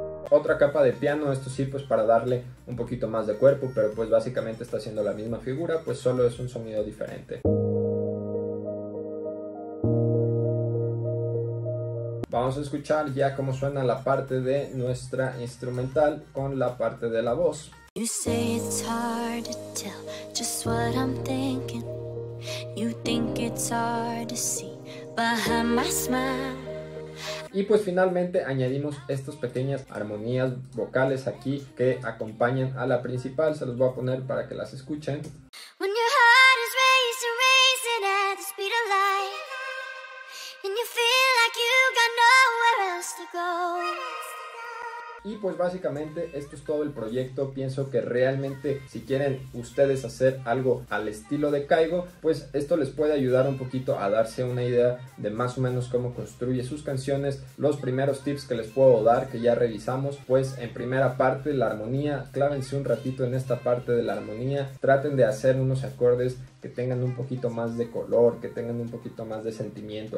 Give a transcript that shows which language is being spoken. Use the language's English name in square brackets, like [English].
[Spanish] Otra capa de piano, esto sí pues para darle un poquito más de cuerpo, pero pues básicamente está haciendo la misma figura, pues solo es un sonido diferente. Vamos a escuchar ya cómo suena la parte de nuestra instrumental con la parte de la voz. [English] You say it's hard to tell just what I'm thinking. You think it's hard to see behind my smile. [Spanish] Y pues finalmente añadimos estas pequeñas armonías vocales aquí que acompañan a la principal. Se los voy a poner para que las escuchen. [English] When your heart is racing, racing at the speed of light. And you feel like you got nowhere else to go. [Spanish] Y pues básicamente esto es todo el proyecto. Pienso que realmente si quieren ustedes hacer algo al estilo de Caigo, pues esto les puede ayudar un poquito a darse una idea de más o menos cómo construye sus canciones. Los primeros tips que les puedo dar que ya revisamos, pues en primera parte la armonía, clávense un ratito en esta parte de la armonía, traten de hacer unos acordes que tengan un poquito más de color, que tengan un poquito más de sentimiento.